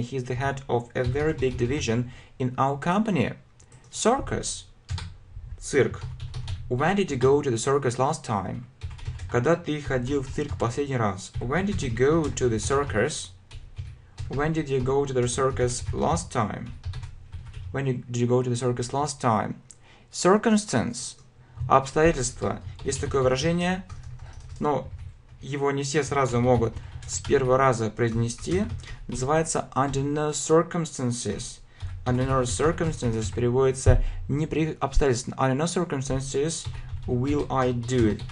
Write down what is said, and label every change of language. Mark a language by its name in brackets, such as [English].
[English] He is the head of a very big division in our company. Circus. Цирк. When did you go to the circus last time? [Russian] Когда ты ходил в цирк последний раз? [English] When did you go to the circus? When did you go to the circus last time? When did you go to the circus last time? Circumstance. Обстоятельства. [Russian] Есть такое выражение, но его не все сразу могут с первого раза произнести. Называется [English] under no circumstances. Under no circumstances [Russian] переводится не при обстоятельствах. [English] Under no circumstances will I do it.